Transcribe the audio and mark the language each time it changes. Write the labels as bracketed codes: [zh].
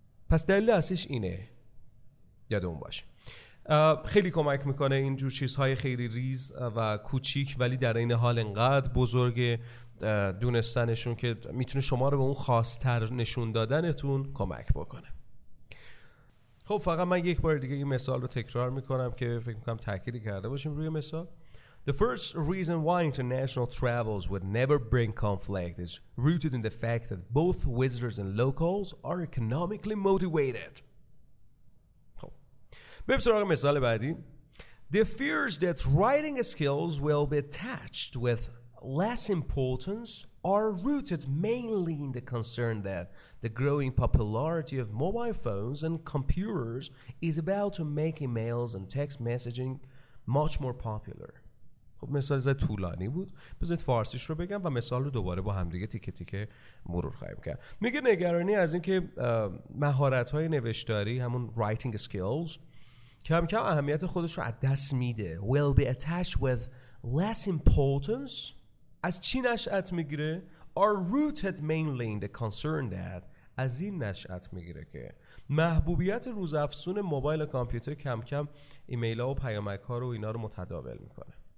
[fa] پس دلیل اصلیش اینه، یادمون باشه. خیلی کمک میکنه این جور چیزهای خیلی ریز و کوچیک، ولی در این حال انقدر بزرگ دونستنشون که میتونه شما رو به اون خاص‌تر نشون دادنتون کمک بکنه. خب فقط من یک بار دیگه این مثال رو تکرار میکنم که فکر میکنم تأکیدی کرده باشیم روی مثال. [en] The first reason why international travels would never bring conflict is rooted in the fact that both visitors and locals are economically motivated. [fa] بریم سراغ مثال بعدی. [en] The fears that writing skills will be attached with less importance are rooted mainly in the concern that the growing popularity of mobile phones and computers is about to make emails and text messaging much more popular. [fa] خب مثال زیاد طولانی بود، بذارید فارسیش رو بگم و مثال رو دوباره با همدیگه تیکه تیکه مرور خواهیم کرد. میگه نگرانی از اینکه مهارت‌های نوشتاری، همون [en] writing skills، [fa] کم کم اهمیت خودش رو از دست میده. [en] will be attached with less importance، [fa] از چی نشأت میگیره؟ [en] are rooted mainly in the concern that، [fa] از این نشأت میگیره که محبوبیت روزافزون موبایل و کامپیوتر کم کم ایمیل ها و پیامک ها رو اینا رو متداول میکنه.